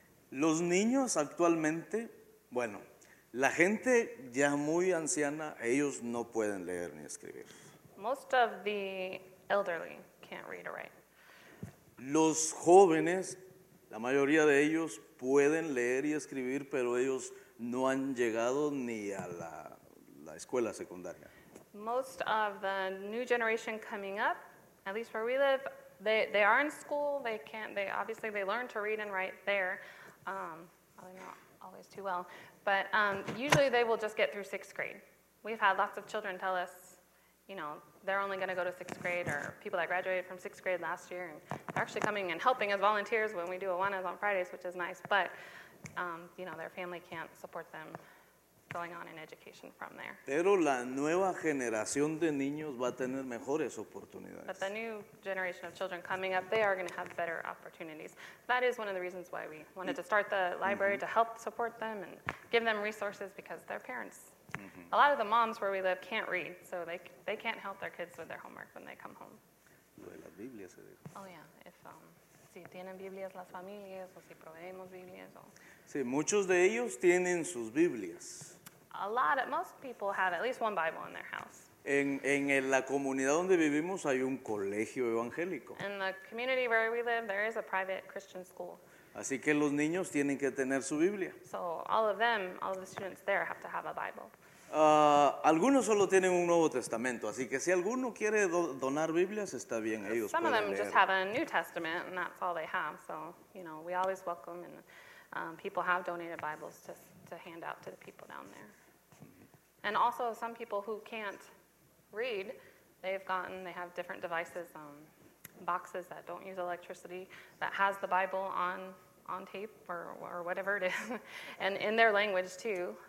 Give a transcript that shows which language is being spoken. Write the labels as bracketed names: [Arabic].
[Spanish] Los niños actualmente, bueno, la gente ya muy anciana, ellos no pueden leer ni escribir. [English] Most of the elderly can't read or write. [Spanish] Los jóvenes, la mayoría de ellos pueden leer y escribir, pero ellos no han llegado ni a la escuela secundaria. [English] Most of the new generation coming up, at least where we live, they are in school. They learn to read and write there. Probably not always too well, but usually they will just get through sixth grade. We've had lots of children tell us, you know, they're only going to go to sixth grade, or people that graduated from sixth grade last year, and they're actually coming and helping as volunteers when we do Awanas on Fridays, which is nice, but, you know, their family can't support them going on in education from there. [Spanish] Pero la nueva generación de niños va a tener mejores oportunidades. [English] But the new generation of children coming up, they are going to have better opportunities. That is one of the reasons why we wanted to start the library, mm-hmm. to help support them and give them resources, because their parents, mm-hmm. a lot of the moms where we live can't read, so they can't help their kids with their homework when they come home. [Spanish] La Biblia se dijo. [English] Oh yeah, if [Spanish] si tienen Biblias las familias, o si proveemos Biblias, o sí, muchos de ellos tienen sus Biblias. [English] Most people have at least one Bible in their house. [Spanish] En la comunidad donde vivimos hay un colegio evangélico. [English] In the community where we live, there is a private Christian school. [Spanish] Así que los niños tienen que tener su Biblia. [English] So all of them, all of the students there have to have a Bible. [Spanish] Algunos solo tienen un Nuevo Testamento, así que si alguno quiere donar Biblias, está bien, ellos [English] Some of them just have a New Testament, and that's all they have. So, you know, we always welcome, and people have donated Bibles to hand out to the people down there. And also, some people who can't read, they have different devices, boxes that don't use electricity, that has the Bible on tape or whatever it is, and in their language too.